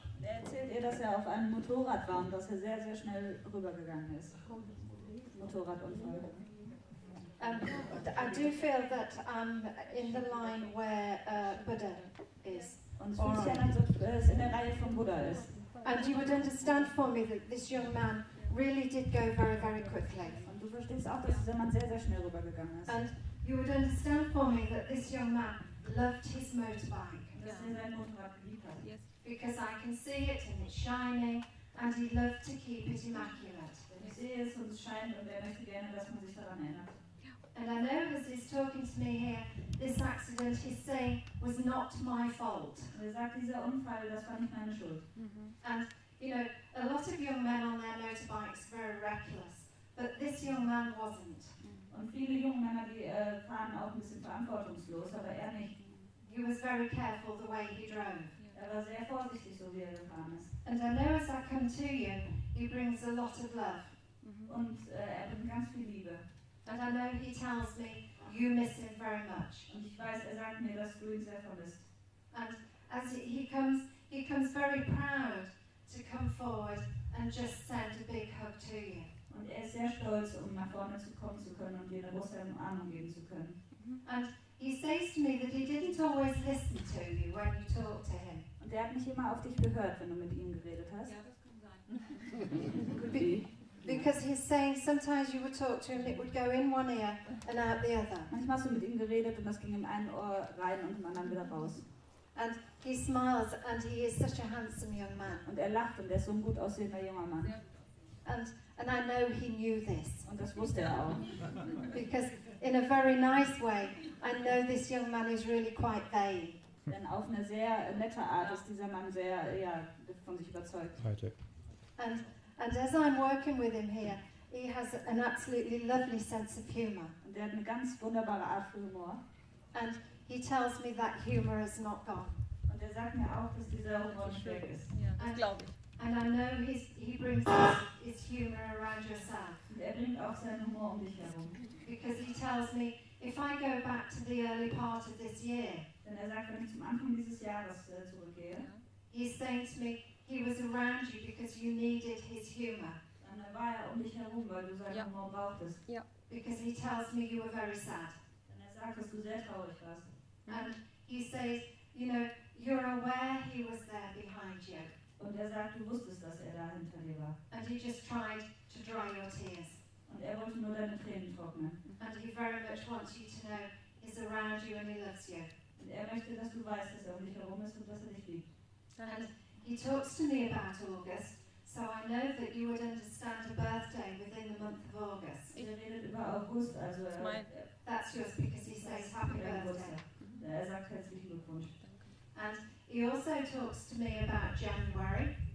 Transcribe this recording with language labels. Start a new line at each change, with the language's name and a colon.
German: Er erzählt ihr, dass er auf einem Motorrad war und dass er sehr, sehr schnell rübergegangen ist.
English: I do feel that I'm in the line where Buddha is.
German: Und ich fühle mich, als ob in der Reihe von Buddha ist.
English: And you would understand for me that this young man really did go very, very quickly.
German: Und du verstehst auch, dass dieser Mann sehr, sehr schnell rübergegangen ist.
English: And you would understand for me that this young man loved his motorbike.
German: Dass er sein Motorrad geliebt hat.
English: Because I can see it and it's shining and he loved to keep it immaculate.
German: Und er möchte gerne, dass man sich daran erinnert.
English: And I know, as he's talking to me here, this accident, was not my fault.
German: Er sagt, dieser Unfall, das war nicht meine Schuld.
English: And you know, a lot of young men on their motorbikes very reckless, but this young man wasn't.
German: Und viele junge Männer, die fahren auch ein bisschen verantwortungslos, aber er nicht.
English: He was very careful the way he drove.
German: Er war sehr vorsichtig, so wie er gefahren ist.
English: And I know, as I come to you, he brings a lot of love.
German: Und er bringt ganz viel Liebe.
English: And I know he tells me you miss him very much.
German: Und ich weiß, er sagt mir, dass du ihn sehr vermisst.
English: And as he comes very proud to come forward and just send a big hug to you.
German: Und er ist sehr stolz, um nach vorne zu kommen zu können und dir eine große Umarmung geben zu können.
English: And he says to me that he didn't always listen to you when you talked to him.
German: Und er hat nicht immer auf dich gehört, wenn du mit ihm geredet hast. Ja, das kann sein.
English: Because he's saying sometimes you would talk to him, it would go in one ear and out the other.
German: Manchmal hast du mit ihm geredet und das ging in ein Ohr rein und im anderen wieder raus.
English: And he smiles and he is such a handsome young man.
German: Und er lacht und er ist so ein gut aussehender junger Mann.
English: And I know he knew this.
German: Und das wusste er auch.
English: Because in a very nice way, I know this young man is really quite vain.
German: Denn auf eine sehr nette Art ist dieser Mann sehr, ja, von sich überzeugt. Heute.
English: And as I'm working with him here, he has an absolutely lovely sense of humor.
German: Und er hat eine ganz wunderbare Art von Humor.
English: And he tells me that humor is not gone.
German: Und er sagt mir auch, dass dieser Humor schwierig ist. Ja, das glaube ich.
English: And I know he brings his humor around yourself.
German: Er bringt auch seinen Humor um dich herum.
English: Because he tells me, if I go back to the early part of this year,
German: denn er sagt, wenn ich zum Anfang dieses Jahres zurückgehe,
English: he's saying to me, he was around you because you needed his humor.
German: Dann war er um dich herum, weil du seinen Humor brauchtest.
English: Yep. Because he tells me you were very sad.
German: Denn er sagt, dass du sehr traurig warst.
English: And he says, you know, you're aware he was there behind you.
German: Und er sagt, du wusstest, dass er da hinter dir war.
English: And he just tried to dry your tears.
German: Und er wollte nur deine Tränen trocknen.
English: And he very much wants you to know he's around you and he loves you.
German: Und er möchte, dass du weißt, dass er um dich herum ist und dass er dich liebt.
English: And he talks to me about August, so I know that you would understand a birthday within the month of August.
German: Er redet über August, also
English: that's just because he says happy birthday.
German: Er sagt herzlichen Glückwunsch.
English: And he also talks to me about January.